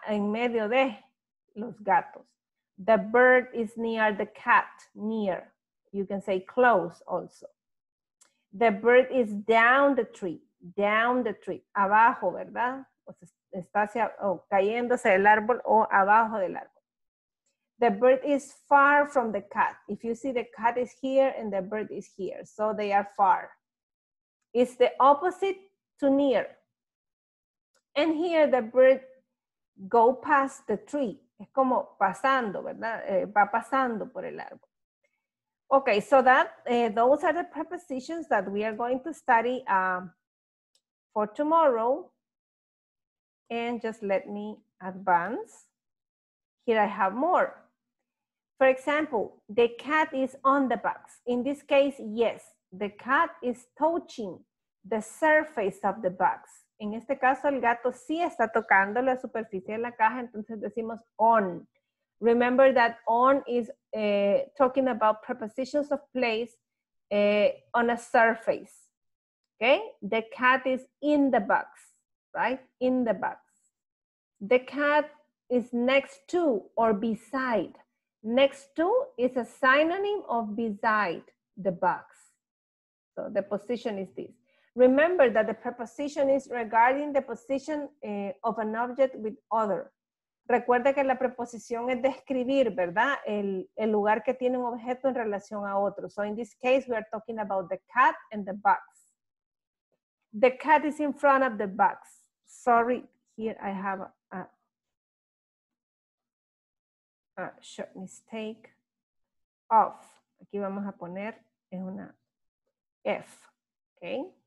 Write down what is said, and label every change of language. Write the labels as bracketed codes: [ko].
[es] En medio de los gatos. [en] The bird is near the cat, near. You can say close also. The bird is down the tree, [es] abajo, ¿verdad? O sea, está hacia, oh, cayéndose del árbol o abajo del árbol. [en] The bird is far from the cat. If you see the cat is here and the bird is here, so they are far. It's the opposite to near. And here the bird go past the tree. [es] Es como pasando, ¿verdad? Va pasando por el árbol. [en] Okay, so that those are the prepositions that we are going to study for tomorrow. And just let me advance. Here I have more. For example, the cat is on the box. In this case, yes, the cat is touching the surface of the box. [es] En este caso, el gato sí está tocando la superficie de la caja, entonces decimos on. [en] Remember that on is talking about prepositions of place on a surface. Okay? The cat is in the box, right? In the box. The cat is next to or beside. Next to is a synonym of beside the box. So the position is this. Remember that the preposition is regarding the position of an object with other. [es] Recuerda que la preposición es describir, ¿verdad? El lugar que tiene un objeto en relación a otro. [en] So in this case, we are talking about the cat and the box. The cat is in front of the box. Sorry, here I have a short mistake. Off. [es] Aquí vamos a poner una F. Okay.